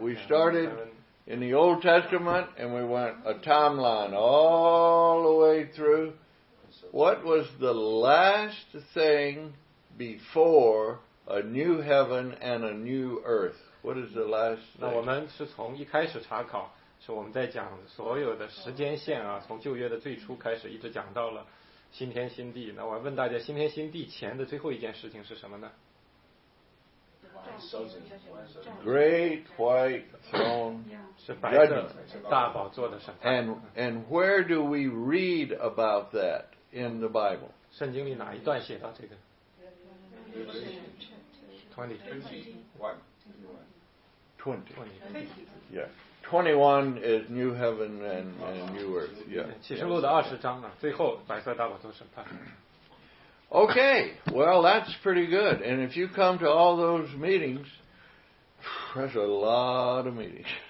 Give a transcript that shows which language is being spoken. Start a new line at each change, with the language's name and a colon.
English: We started in the Old Testament and we went a timeline all the way through. What was the last thing before a new heaven and a new earth? What is the last thing?
Chinese: 那我们是从一开始查考，是我们在讲所有的时间线啊，从旧约的最初开始，一直讲到了新天新地。那我问大家，新天新地前的最后一件事情是什么呢
English: ？Great White Throne
Chinese: 是白色的大宝座的审判。
English: And where do we read about that in the Bible?
Chinese: 圣经里哪一段写到这个
English: 20. Yeah. 21 is new heaven and new earth. Yeah.
Chinese: 启示录的二十章啊，最后白色大宝座审判。
English: Okay. Well, that's pretty good. And if you come to all those meetings, that's a lot of meetings.